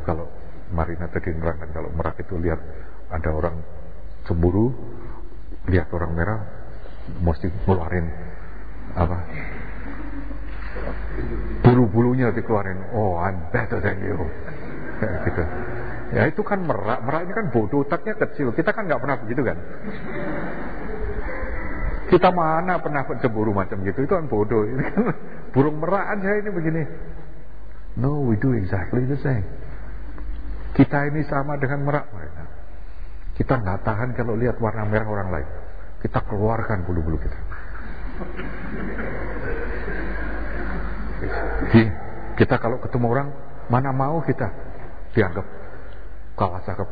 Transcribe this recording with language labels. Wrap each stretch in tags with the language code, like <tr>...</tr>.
<id>Kalau Marina tadi menerangkan kalau merak itu lihat ada orang cemburu lihat orang merah mesti ngeluarin apa bulu-bulunya dikeluarin,</id> <en>oh I'm better than you</en> <id>ya, gitu. Ya itu kan merak, merak ini kan bodoh, otaknya kecil, kita kan gak pernah begitu kan. Kita mana pernah cemburu macam gitu, itu kan bodoh. Ini kan burung merak aja ini begini.</id> <en>No, we do exactly the same.</en> <id>Kita ini sama dengan merak mereka. Kita gak tahan kalau lihat warna merah orang lain. Kita keluarkan bulu-bulu kita. Jadi, kita kalau ketemu orang, mana mau kita dianggap kalah cakep.</id>